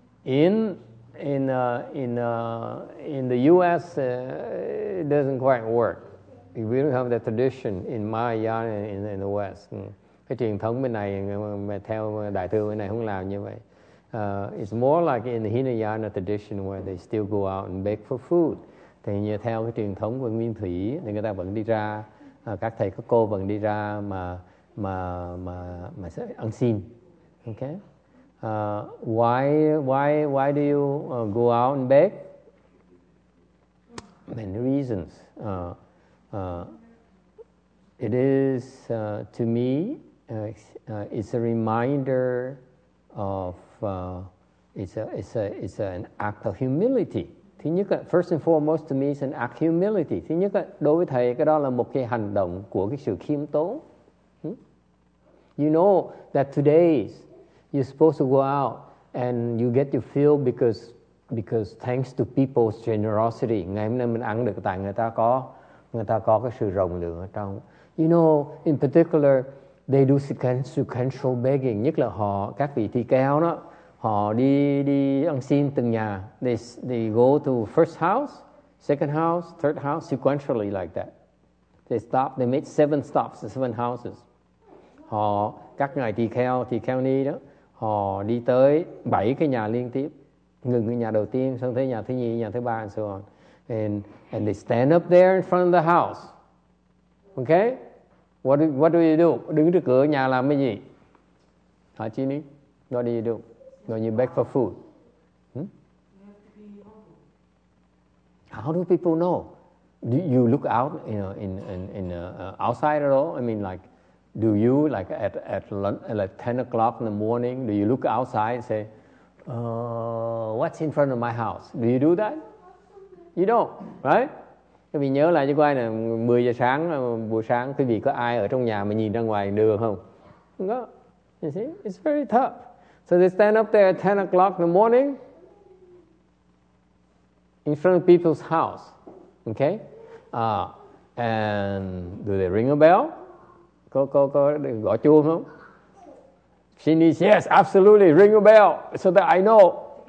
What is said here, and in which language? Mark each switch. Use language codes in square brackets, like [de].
[en] In the U.S., it doesn't quite work. We don't have that tradition in Mahayana in the West. [vi] Cái truyền thống bên này mà theo đại thừa bên này không làm như vậy. [en] It's more like in the Hinayana tradition where they still go out and beg for food. [vi] Thì như theo cái truyền thống của Nguyên Thủy, thì người ta vẫn đi ra, các thầy các cô vẫn đi ra mà sẽ ăn xin. [en] Okay. Why do you go out and beg? Many reasons. It is to me, it's a reminder of it's an act of humility. [vi] Thứ nhất, [en] first and foremost, to me, it's an act of humility. [vi] Thứ nhất, đối với thầy, cái đó là một cái hành động của cái sự khiêm tốn. [en] You know that today's you're supposed to go out and you get to feel because thanks to people's generosity. [vi] Ngày hôm nay mình ăn được tại người ta có cái sự rộng lượng ở trong. [en] You know, in particular, they do sequential begging. [vi] Nhất là họ, các vị tỳ kheo đó, họ đi ăn xin từng nhà. [en] They go to first house, second house, third house, sequentially like that. They stop, they make seven stops, seven houses. [vi] Họ, các ngài tỳ kheo ni đó, họ đi tới 7 cái nhà liên tiếp, ngừng ở nhà đầu tiên, xong tới nhà thứ nhì, nhà thứ ba, [en] and so on. And they stand up there in front of the house. Okay? What do you do? [vi] Đứng trước cửa nhà làm cái gì? Hả chi ni? [en] What do you do? Go you beg for food. How do people know? Do you look out, you know, in outside at all? I mean, like, do you, like, at 10 o'clock in the morning, do you look outside and say, what's in front of my house? Do you do that? You don't, right? [vi] Các vị nhớ lại cho coi là 10 giờ sáng, buổi sáng, quý vị có ai ở trong nhà mà nhìn ra ngoài đường không? Không có. [en] You see, it's very tough. So they stand up there at 10 o'clock in the morning in front of people's house. Okay? And do they ring a bell? [vi] Có gõ chuông không? [en] She needs, yes, absolutely, ring a bell so that I know.